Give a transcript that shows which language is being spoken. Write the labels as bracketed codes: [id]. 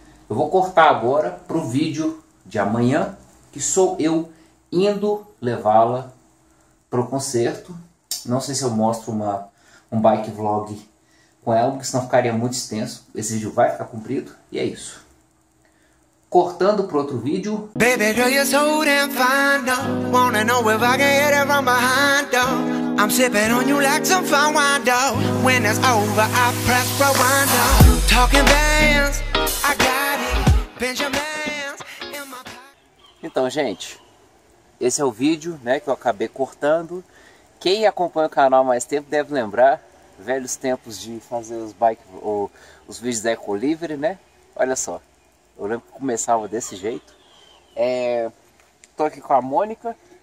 [pt] Eu vou cortar agora para o vídeo de amanhã, que sou eu indo levá-la pro conserto. Não sei se eu mostro um bike vlog com ela, porque senão ficaria muito extenso. Esse vídeo vai ficar comprido. E é isso. Cortando pro outro vídeo. [en] Baby, girl, you're so damn fine, don't wanna know if I can hit it from behind, don't. I'm sipping on you like some fine wine, don't. When it's over, I press rewind, don't. Talking bands, I got it. Benjamin's in my pocket. [pt] Então, gente, esse é o vídeo, né, que eu acabei cortando. Quem acompanha o canal há mais tempo deve lembrar velhos tempos de fazer os bike ou os vídeos da Eco Livre, né? Olha só, eu lembro que começava desse jeito. Tô aqui com a Mônica.